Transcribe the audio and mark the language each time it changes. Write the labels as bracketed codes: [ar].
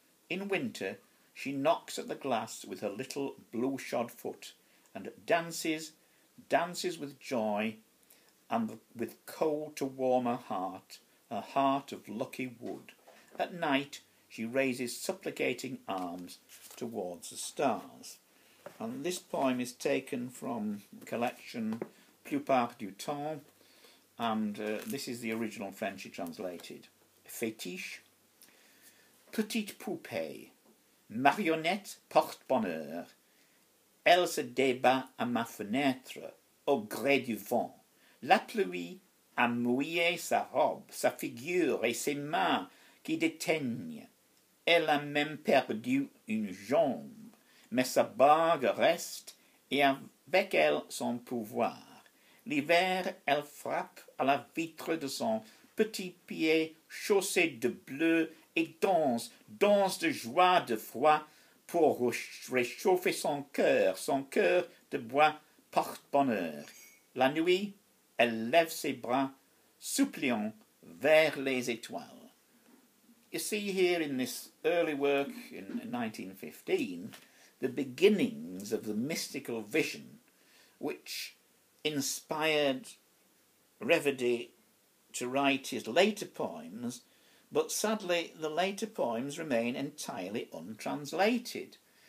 [en] In winter, she knocks at the glass with her little blue-shod foot and dances with joy and with cold to warm her heart of lucky wood. At night, she raises supplicating arms towards the stars. And this poem is taken from the collection Plupart du Temps, and this is the original French she translated. [fr] Fétiche. Petite poupée, marionnette porte-bonheur, elle se débat à ma fenêtre au gré du vent. La pluie a mouillé sa robe, sa figure et ses mains qui déteignent. Elle a même perdu une jambe, mais sa bague reste et avec elle son pouvoir. L'hiver, elle frappe à la vitre de son petit pied chaussé de bleu et danse de joie, de froid, pour réchauffer son cœur de bois porte-bonheur. La nuit, elle lève ses bras, suppliant vers les étoiles. [en] You see here in this early work in 1915, the beginnings of the mystical vision which inspired Reverdy to write his later poems. But sadly, the later poems remain entirely untranslated.